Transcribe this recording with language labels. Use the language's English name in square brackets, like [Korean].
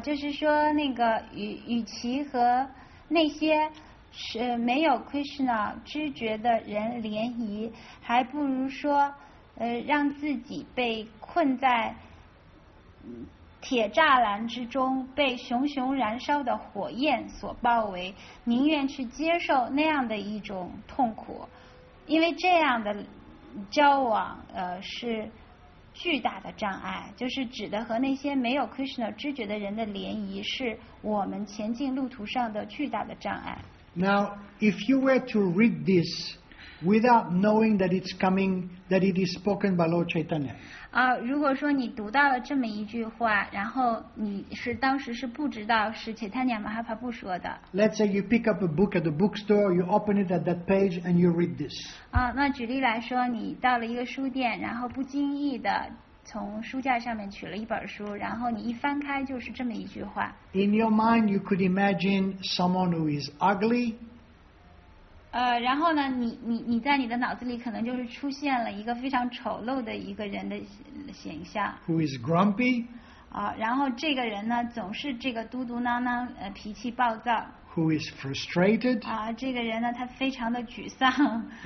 [Chinese] 就是说那个与其和那些是没有 Krishna 知觉的人联谊，还不如说，让自己被困在铁栅栏之中，被熊熊燃烧的火焰所包围，宁愿去接受那样的一种痛苦，因为这样的交往，是巨大的障碍，就是指的和那些没有 Krishna 知觉的人的联谊，是我们前进路途上的巨大的障碍。 [English] Now, if you were to read this without knowing that it's coming, that it is spoken by Lord Chaitanya. [Chinese] 啊，如果说你读到了这么一句话，然后你是当时是不知道是 Chaitanya Mahaprabhu 说的。 [English] Let's say you pick up a book at the bookstore, you open it at that page, and you read this. [Chinese] 啊，那举例来说，你到了一个书店，然后不经意的从书架上面取了一本书，然后你一翻开就是这么一句话。 [English] In your mind, you could imagine someone who is ugly. [Chinese] 然后呢，你在你的脑子里可能就是出现了一个非常丑陋的一个人的形象。 [English] Who is grumpy? [Chinese] 然后这个人呢，总是这个嘟嘟囔囔，脾气暴躁。 [English] Who is frustrated? [Chinese] 这个人呢，他非常的沮丧。